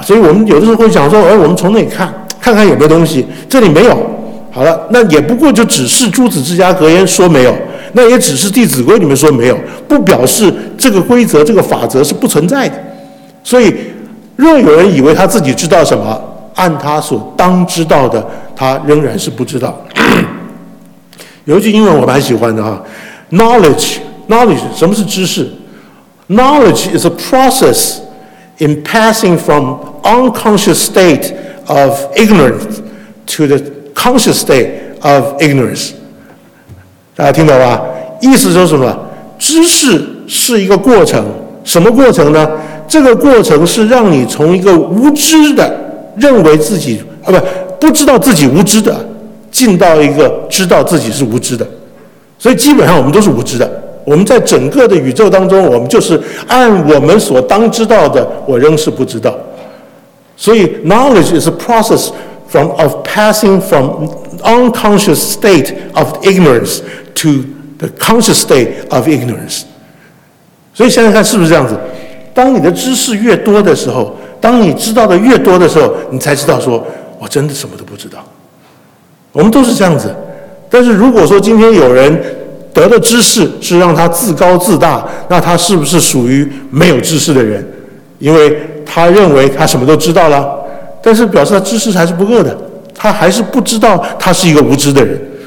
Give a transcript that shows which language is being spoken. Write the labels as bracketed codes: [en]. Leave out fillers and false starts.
[zh] 所以我们有的时候会想说，哎，我们从那里看看看有没有东西，这里没有，好了，那也不过就只是朱子治家格言说没有，那也只是弟子规里面说没有，不表示这个规则这个法则是不存在的。所以若有人以为他自己知道什么，按他所当知道的他仍然是不知道。有一句英文我蛮喜欢的哈， [en] knowledge [zh] 什么是知识， [en] knowledge is a process in passing from unconscious state of ignorance to the conscious state of ignorance。 [zh] 大家听懂吧，意思就是什么，知识是一个过程，什么过程呢，这个过程是让你从一个无知的认为自己啊，不，不知道自己无知的，进到一个知道自己是无知的。所以基本上我们都是无知的，我们在整个的宇宙当中，我们就是按我们所当知道的我仍是不知道。所以 [en] knowledge is a process of passing from unconscious state of ignorance to the conscious state of ignorance。 [zh] 所以现在看是不是这样子，当你的知识越多的时候，当你知道的越多的时候，你才知道说我真的什么都不知道。我们都是这样子。但是如果说今天有人得的知识是让他自高自大，那他是不是属于没有知识的人，因为他认为他什么都知道了，但是表示他知识还是不够的，他还是不知道他是一个无知的人。